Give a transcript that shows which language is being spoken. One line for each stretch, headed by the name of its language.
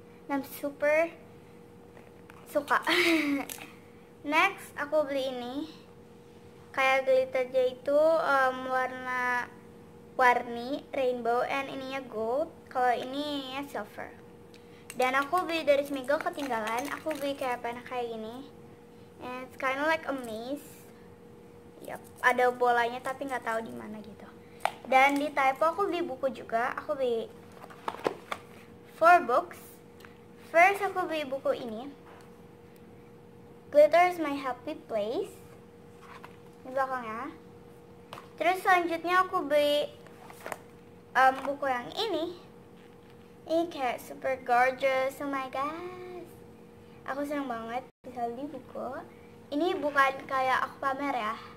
English: I'm super
Indonesian: suka. Next, aku beli ini. Kayak glitternya itu warna warni, rainbow. And ininya gold. Kalau ini ya silver. Dan aku beli dari Smigo ketinggalan. Aku beli kayak pena kayak gini.
English: And it's kind of like a maze.
Indonesian: Yep, ada bolanya tapi gak tahu di mana gitu. Dan di Typo aku beli buku juga. Aku beli 4 books. First aku beli buku ini.
English: glitter is my happy place.
Indonesian: Di belakangnya. Terus selanjutnya aku beli buku yang ini. Ini kayak super gorgeous.
English: Oh my gosh.
Indonesian: Aku senang banget bisa beli buku. Ini bukan kayak aku pamer ya.